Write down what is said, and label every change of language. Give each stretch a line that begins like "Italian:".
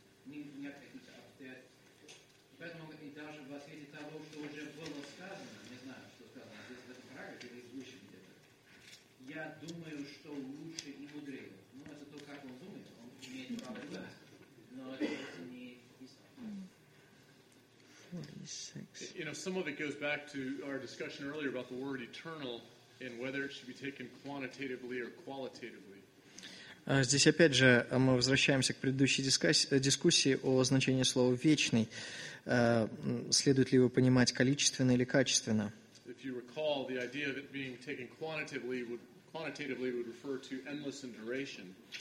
Russian: Нет каких-то обстоятельств. Поэтому и даже в ответе того, что уже было сказано, не знаю, что сказано, здесь в этом параграфе или выше где-то, я думаю, что лучше и мудрее. Ну, это то, как он думает, он имеет право думать, но это не писал. 46.
English: You know, some of it goes back to our discussion earlier about the word eternal and whether it should be taken quantitatively or qualitatively.
Russian: Здесь опять же мы возвращаемся к предыдущей дискуссии о значении слова вечный. Следует ли его понимать количественно или качественно?
English: If you recall, the idea of it being taken quantitatively would refer to endless in duration.